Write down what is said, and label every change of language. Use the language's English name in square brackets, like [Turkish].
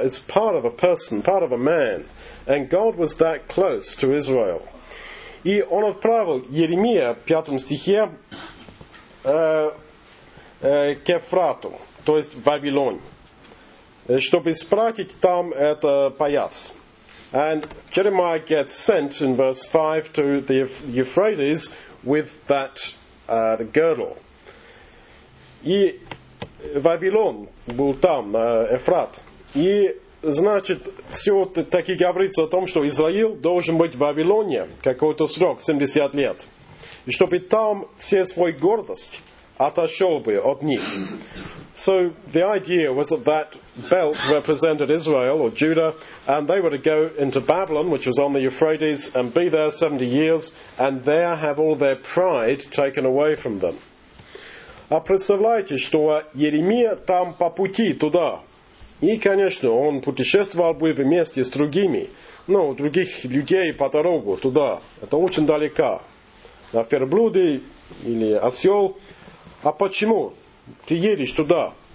[English] It's part of a person, part of a man. And God was that close to Israel. [Russian] И он отправил Еремия, в пятом стихе, к Ефрату, то есть в Вавилонь, чтобы спрятать там это паяц. [English] And Jeremiah gets sent in verse 5 to the Euphrates with that girdle. [Russian] И Вавилон был там, Ефрат. И, значит, все так и говорится о том, что Израиль должен быть в Вавилоне какой-то срок, 70 лет. И чтобы там все свою гордость отошел бы от них. [English] So the idea was that that belt represented Israel or Judah, and they were to go into Babylon, which was on the Euphrates, and be there 70 years, and there have all their pride taken away from them. [Russian] А представляете, что Еремия там по пути туда. И, конечно, он путешествовал бы вместе с другими, ну, других людей по дорогу туда. Это очень далеко. На верблюде или осел. А почему? Ты едешь туда.